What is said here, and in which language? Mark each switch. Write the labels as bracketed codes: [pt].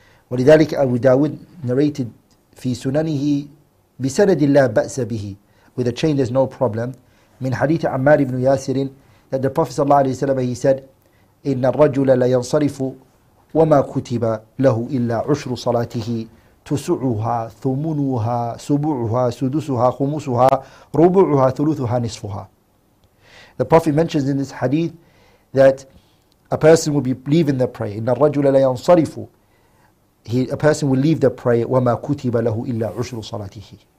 [ar] ولذلك أبو داود narrated في سننه بسند الله بأس به, [en] with a chain there's no problem, [ar] من حديث عمار بن ياسر, that the Prophet صلى الله عليه وسلم, [en] he said, [ar] إن الرجل لا ينصرف وما كتب له إلا عشر صلاته تسعها ثمنها سبعها سدسها خمسها ربعها ثلثها نصفها. [en] The Prophet mentions in this hadith that a person will be leaving the prayer. [ar] إن الرجل لا ينصرف, [en] a person will leave the prayer, [ar] وما كتب له إلا عشر صلاته.